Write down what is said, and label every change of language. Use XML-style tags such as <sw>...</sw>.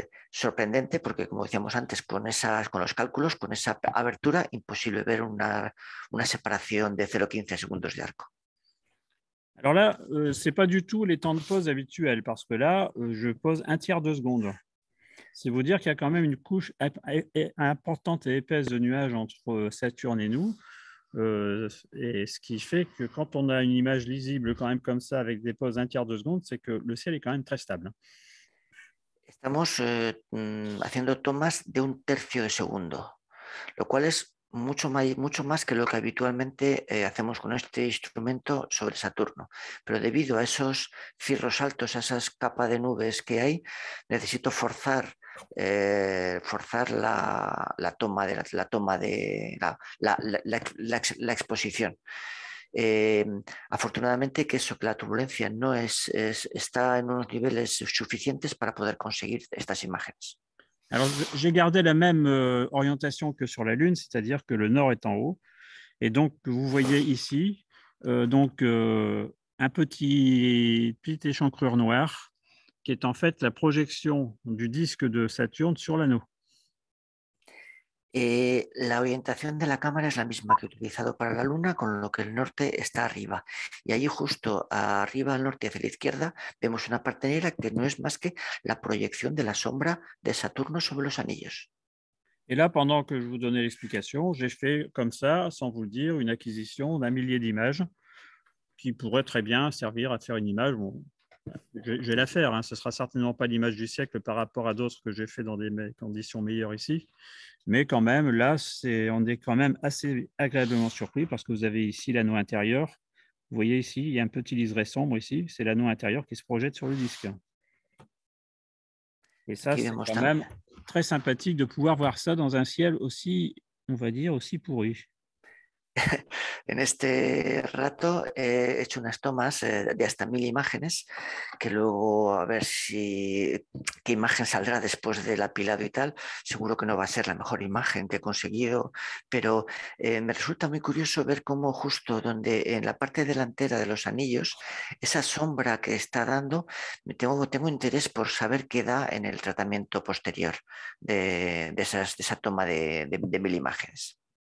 <es>Sorprendente porque, como decíamos antes, con los cálculos, con esa abertura, imposible ver una separación de 0,15 segundos de arco.</es> <fr>Alors là, c'est pas du tout les temps de pose habituels, parce que là, je pose un tiers de seconde. C'est vous dire qu'il y a quand même une couche importante et épaisse de nuages entre Saturne et nous, et ce qui fait que quand on a une image lisible quand même comme ça, avec des poses un tiers de seconde, c'est que le ciel est quand même très stable.</fr> <es>Estamos haciendo tomas de un tercio de segundo, lo cual es mucho más que lo que habitualmente hacemos con este instrumento sobre Saturno. Pero debido a esos cirros altos, a esas capas de nubes que hay, necesito forzar la exposición. Afortunadamente que eso, que la turbulencia no está en unos niveles suficientes para poder conseguir estas imágenes.</es> <fr>Alors, j'ai gardé la même orientation que sur la Lune, c'est-à-dire que le nord est en haut, Et donc, vous voyez ici un petit échancrure noire qui est en fait la projection du disque de Saturne sur l'anneau. Et l'orientation de la caméra est la même que utilisée pour la Luna,</fr> <es>con lo que el norte está arriba. Y ahí, justo arriba al norte, hacia la izquierda, vemos una parte negra que no es más que la proyección de la sombra de Saturno sobre los anillos.</es> <fr>Et là, pendant que je vous donnais l'explication, j'ai fait comme ça, sans vous le dire, une acquisition d'un millier d'images qui pourrait très bien servir à faire une image. Bon, je vais la faire, hein. Ce ne sera certainement pas l'image du siècle par rapport à d'autres que j'ai fait dans des conditions meilleures ici. Mais quand même, là, on est quand même assez agréablement surpris parce que vous avez ici l'anneau intérieur. Vous voyez ici, il y a un petit liseré sombre ici. C'est l'anneau intérieur qui se projette sur le disque. Et ça, c'est quand même très sympathique de pouvoir voir ça dans un ciel aussi, on va dire, aussi pourri.</fr> <es>En este rato he hecho unas tomas de hasta 1000 imágenes, que luego a ver si qué imagen saldrá después del apilado y tal. Seguro que no va a ser la mejor imagen que he conseguido, pero me resulta muy curioso ver cómo justo donde en la parte delantera de los anillos, esa sombra que está dando, tengo interés por saber qué da en el tratamiento posterior de esa toma de 1000 imágenes.</es>